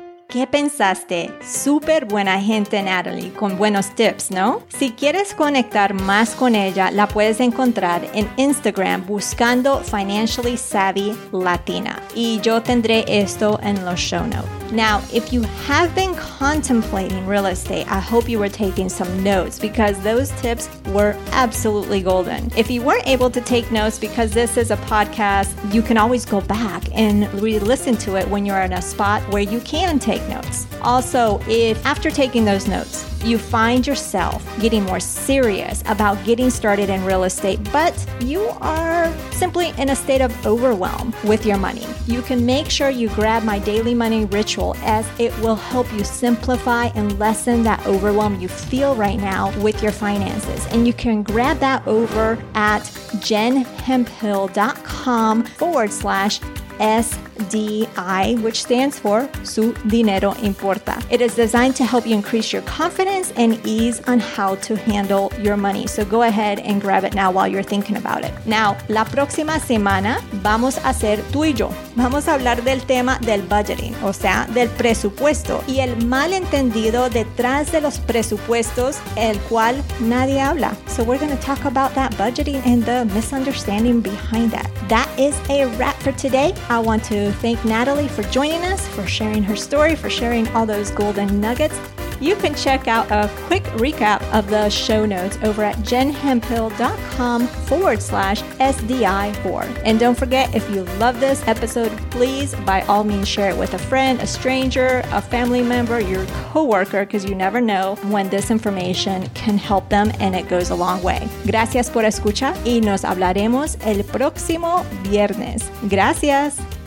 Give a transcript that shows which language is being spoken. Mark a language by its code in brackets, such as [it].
[es] ¿Qué pensaste? Súper buena gente, Natalie, con buenos tips, ¿no? Si quieres conectar más con ella, la puedes encontrar en Instagram buscando Financially Savvy Latina. Y yo tendré esto en los show notes. [en] Now, if you have been contemplating real estate, I hope you were taking some notes because those tips were absolutely golden. If you weren't able to take notes because this is a podcast, you can always go back and re-listen to it when you're in a spot where you can take notes. Also, if after taking those notes, you find yourself getting more serious about getting started in real estate, but you are simply in a state of overwhelm with your money, you can make sure you grab my daily money ritual as it will help you simplify and lessen that overwhelm you feel right now with your finances. And you can grab that over at jenhemphill.com/SDI, which stands for Su Dinero Importa. It is designed to help you increase your confidence and ease on how to handle your money. So go ahead and grab it now while you're thinking about it. [es] Now, la próxima semana vamos a hacer tú y yo. Vamos a hablar del tema del budgeting, o sea, del presupuesto y el malentendido detrás de los presupuestos, el cual nadie habla. [en] So we're going to talk about that budgeting and the misunderstanding behind that. That is a wrap for today. I want to thank Natalie for joining us, for sharing her story, for sharing all those golden nuggets. You can check out a quick recap of the show notes over at jenhemphill.com/SDI4. And don't forget, if you love this episode, please, by all means, share it with a friend, a stranger, a family member, your coworker, because you never know when this information can help them and it goes a long way. [es] Gracias por escuchar y nos hablaremos el próximo viernes. Gracias.